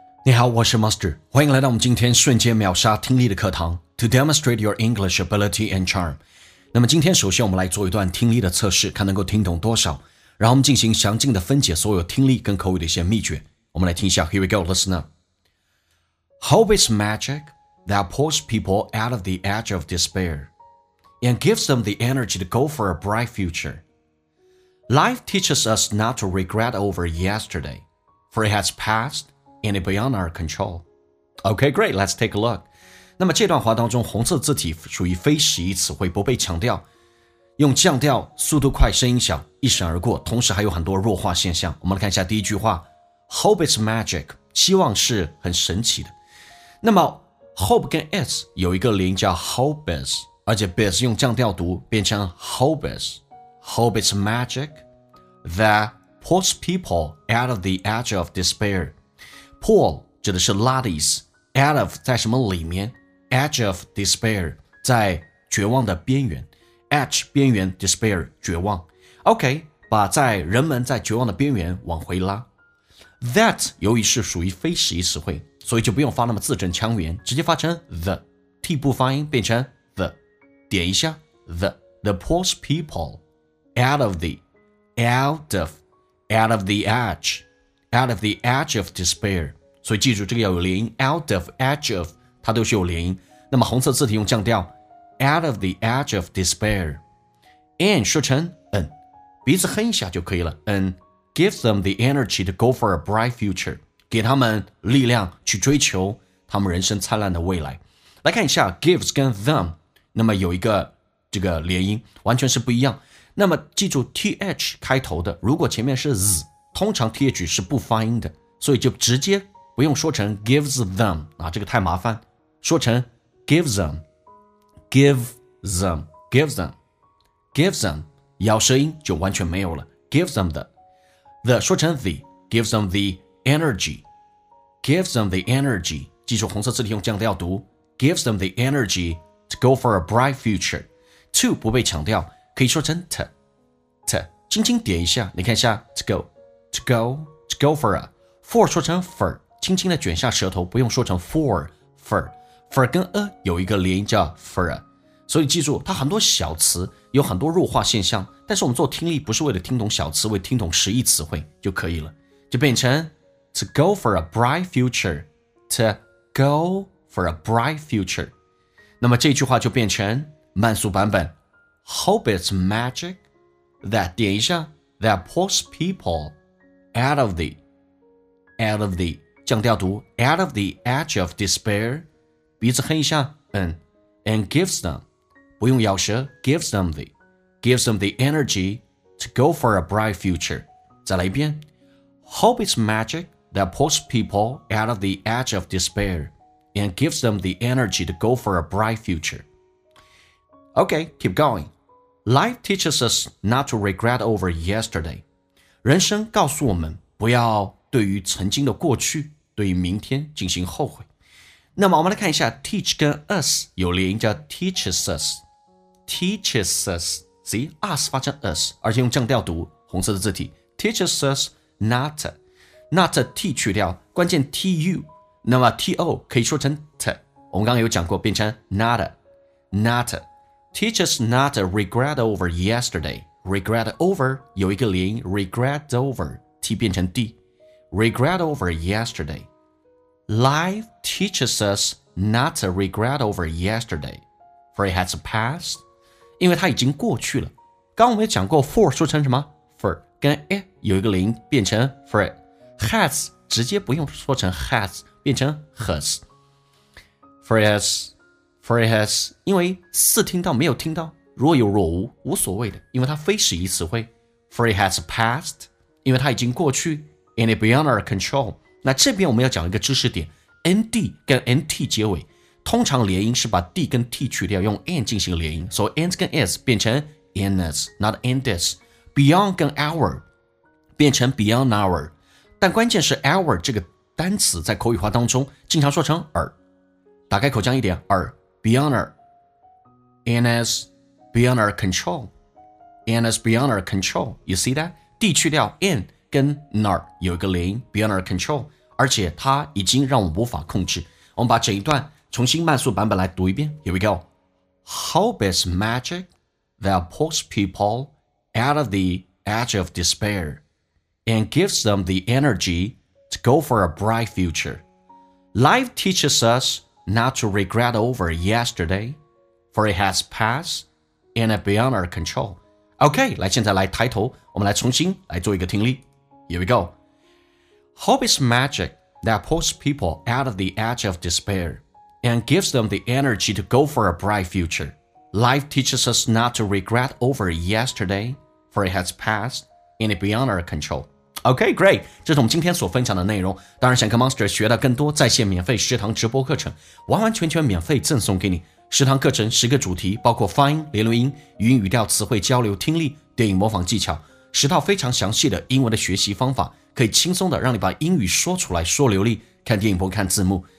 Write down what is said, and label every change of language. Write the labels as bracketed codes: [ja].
[zh] 你好，我是 Master， 欢迎来到我们今天瞬间秒杀听力的课堂 [en] To demonstrate your English ability and charm。 [zh] 那么今天首先我们来做一段听力的测试，看能够听懂多少，然后我们进行详尽的分解所有听力跟口语的一些秘诀。我们来听一下 [en] Here we go, listener. Hope is magic that pulls people out of the edge of despair and gives them the energy to go for a bright future. Life teaches us not to regret over yesterday, for it has passedand beyond our control. Okay, great, let's take a look. [zh] 那么这段话当中红色字体属于非习词汇，不被强调，用降调，速度快，声音小，一闪而过，同时还有很多弱化现象。我们来看一下第一句话， [en] Hope is magic， [zh] 希望是很神奇的。那么 Hope 跟 is 有一个连叫 Hope is， 而且 is 用降调读变成 Hope is。 [en] Hope is magic that pulls people out of the edge of despairPull [zh] 指的是拉的意思， out of 在什么里面， edge of despair 在绝望的边缘， edge 边缘， despair 绝望， OK， 把在人们在绝望的边缘往回拉。 That 由于是属于非习词汇，所以就不用发那么字正腔圆，直接发成 the， T 不发音变成 the， 点一下 the， [en] the pulls people out of the out of out of the edgeOut of the edge of despair， [zh] 所以记住这个要有连音 ，out of edge of， 它都是有连音。那么红色字体用降调 ，out of the edge of despair， and 说成嗯，鼻子哼一下就可以了。 [en] And gives them the energy to go for a bright future， [zh] 给他们力量去追求他们人生灿烂的未来。来看一下 gives 跟 them， 那么有一个这个连音，完全是不一样。那么记住 th 开头的，如果前面是 z。通常 th 是不发音的，所以就直接不用说成 gives them 啊，这个太麻烦，说成 gives them， [en] give them， gives them， gives them， [zh] 咬舌音就完全没有了， [en] gives them the 说成 the， gives them the energy， gives them the energy， [zh] 记住红色字体用降调读， [en] gives them the energy to go for a bright future， to [zh] 不被强调，可以说成 [en] t t， [zh] 轻轻点一下，你看一下 [en] to goTo go, to go for a. [zh] For 说成 for， 轻轻的卷下舌头，不用说成 for， for， for 跟 a 有一个连音叫 for a。所以记住，它很多小词有很多弱化现象，但是我们做听力不是为了听懂小词，为听懂实义词汇就可以了。就变成 to go for a bright future， to go for a bright future。那么这句话就变成慢速版本。 [en] Hope is magic that [zh] 点一下 [en] that pulls people. out of the, 降调读 out of the edge of despair, [zh] 鼻子哼一下 [en] and gives them, [zh] 不用咬舌 [en] gives them the energy to go for a bright future. [zh] 再来一遍 [en] Hope is magic that pulls people out of the edge of despair and gives them the energy to go for a bright future. Okay, keep going. Life teaches us not to regret over yesterday. [zh] 人生告诉我们不要对于曾经的过去，对于明天进行后悔。那么我们来看一下 [en] teach 跟 us 有连音叫 teaches us， teaches us， see us 发成 us， [zh] 而且用降调读，红色的字体 [en] teaches us not， not t 去掉，关键 tu， 那么 to 可以说成 t， [zh] 我们刚刚有讲过变成 [en] not， not teach us not regret over yesterdayRegret over 有一个连音 regret over T 变成 D regret over yesterday. Life teaches us not to regret over yesterday, for it has passed. [zh] 因为它已经过去了。刚我们也讲过 for 说成什么 for 跟 it 有一个连音变成 for it. Has 直接不用说成 has 变成 has. [en] For it has, for it has. [zh] 因为似听到没有听到。若有若无无所谓的，因为它非实义词汇。 [en] For it has passed， [zh] 因为它已经过去。 [en] And it beyond our control， [zh] 那这边我们要讲一个知识点， ND 跟 NT 结尾通常连音是把 D 跟 T 去掉，用 N 进行连音，所以 N 跟 S 变成 NS not NDS。 [en] Beyond 跟 our 变成 beyond our， 但关键是 our [zh] 这个单词在口语化当中经常说成耳，打开口腔一点耳 [en] beyond our NSBeyond our control, and it's beyond our control. You see that? D 去掉 N 跟 NAR 有一个连音 Beyond our control. [zh] 而且它已经让我无法控制。我们把整一段重新慢速版本来读一遍。 [en] Here we go. Hope is magic that pulls people out of the edge of despair and gives them the energy to go for a bright future. Life teaches us not to regret over yesterday, for it has passed and is beyond our control. [zh] OK, 来现在来抬头，我们来重新来做一个听力。 [en] Here we go. Hope is magic that pulls people out of the edge of despair and gives them the energy to go for a bright future. Life teaches us not to regret over yesterday, for it has passed and is beyond our control. OK, great, [zh] 这是我们今天所分享的内容。当然想跟 Monster 学到更多在线免费食堂直播课程，完完全全免费赠送给你。食堂课程十个主题，包括发音、连读音、语音语调、词汇交流、听力、电影模仿技巧，十套非常详细的英文的学习方法，可以轻松的让你把英语说出来说流利，看电影不看字幕。